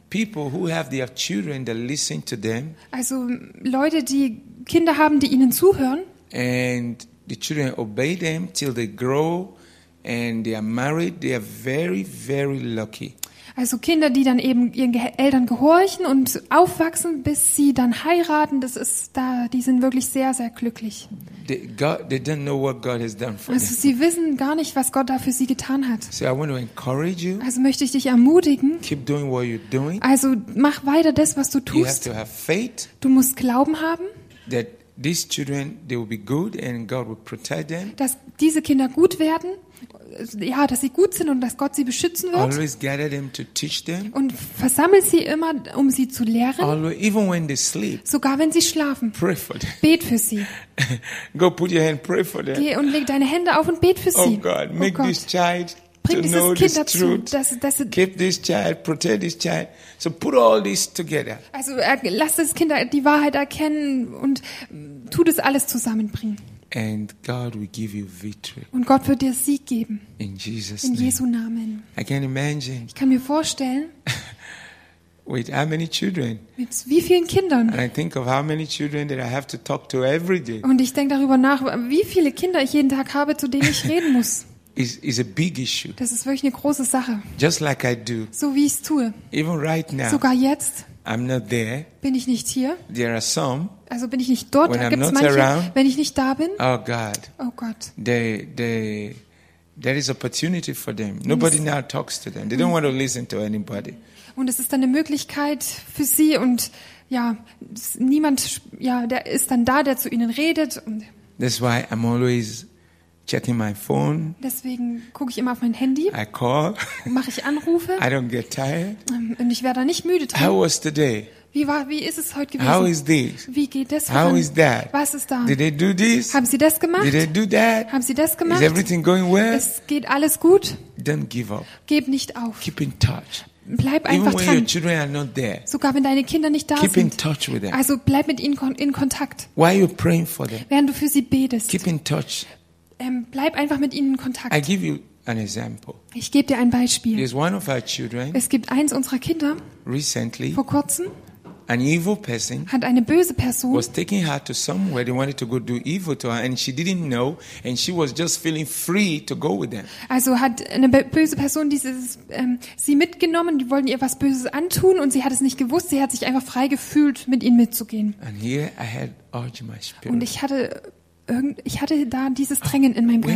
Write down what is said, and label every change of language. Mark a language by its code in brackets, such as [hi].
[en] People who have their children that listen to them. [de] Also Leute, die Kinder haben, die ihnen zuhören. [en] And the children obey them till they grow and they are married, they are very, very lucky. [de] Also Kinder, die dann eben ihren Eltern gehorchen und aufwachsen, bis sie dann heiraten, das ist da, die sind wirklich sehr, sehr glücklich. [en] They don't know what God has done for them. [de] Also sie wissen gar nicht, was Gott da für sie getan hat. [en] So I want to encourage you. [de] Also möchte ich dich ermutigen. [en] Keep doing what you're doing. [de] Also mach weiter das, was du tust. [en] You have to have faith. [de] Du musst Glauben haben. [en] That these children, they will be good and God will protect them. [de] Dass diese Kinder gut werden, ja, dass sie gut sind und dass Gott sie beschützen wird. [en] Always gather them to teach them. [de] Und versammel sie immer, um sie zu lehren. [en] Always, even when they sleep. [de] Sogar wenn sie schlafen. [en] Pray for them. [de] Bet für sie. [en] Go put your hand, pray for them. [de] Geh und leg deine Hände auf und bet für sie. [en] Oh God, make this child. [de] Bring dieses Kind dazu, [en] keep this child, protect this child. So put all this together. [de] Also lass das Kind die Wahrheit erkennen und tu das alles zusammenbringen. [en] And God will give you victory. [de] Und Gott wird dir Sieg geben. [en] In Jesus [de] name. In Jesu Namen. [en] I can imagine. [de] Ich kann mir vorstellen. [en] With how many children? [de] Mit wie vielen Kindern? [en] And I think of how many children that I have to talk to every day. [de] Und ich denke darüber nach, wie viele Kinder ich jeden Tag habe, zu denen ich reden muss. [en] Is a big issue. [de] Das ist wirklich eine große Sache. [en] Just like I do. [de] So wie ich es tue. [en] Even right now. [de] Sogar jetzt. [en] I'm not there. [de] Bin ich nicht hier. [en] There are some. [de] Also bin ich nicht dort. [en] When [de] da [en] I'm [de] gibt's [en] not [de] manche, [en] around. [de] Wenn ich nicht da bin. [en] Oh God. [de] Oh Gott. [en] There is opportunity for them. Nobody now talks to them. They don't want to listen to anybody. [de] Und es ist dann eine Möglichkeit für sie und ja, niemand, ja, der ist dann da, der zu ihnen redet. [en] That's why I'm always checking my phone. [de] Deswegen gucke ich immer auf mein Handy. [en] I call. [de] Mache ich Anrufe. [en] I don't get tired. [de] Und ich werde da nicht müde drin. [en] How was the day? [de] Wie ist es heute gewesen? [en] How is this? [de] Wie geht das voran? [en] How is that? [de] Was ist da? [en] Did they do this? [de] Haben sie das gemacht? [en] Did they do that? [de] Haben sie das gemacht? [en] Is everything going well? [de] Es geht alles gut? [en] Don't give up. [de] Gib nicht auf. [en] Keep in touch. [de] Bleib einfach dran. [en] Your children are not there. [de] Sogar wenn deine Kinder nicht da [en] keep [de] sind. [en] In touch with them. [de] Also bleib mit ihnen in Kontakt. [en] Why are you praying for them? [de] Während du für sie betest. [en] Keep in touch. [de] Bleib einfach mit ihnen in Kontakt. [en] I give you an example. [de] Ich gebe dir ein Beispiel. [en] There's one of our children, [de] es gibt eins unserer Kinder. [en] Recently, [de] vor kurzem. [en] An evil person [de] hat eine böse Person [en] was taking her to somewhere they wanted to go do evil to her and she didn't know and she was just feeling free to go with them. [de] Also hat eine böse Person sie mitgenommen, die wollten ihr was Böses antun und sie hat es nicht gewusst, sie hat sich einfach frei gefühlt, mit ihnen mitzugehen. [en] And here I had urge my spirit. [de] Und ich hatte da dieses Drängen in meinem Geist.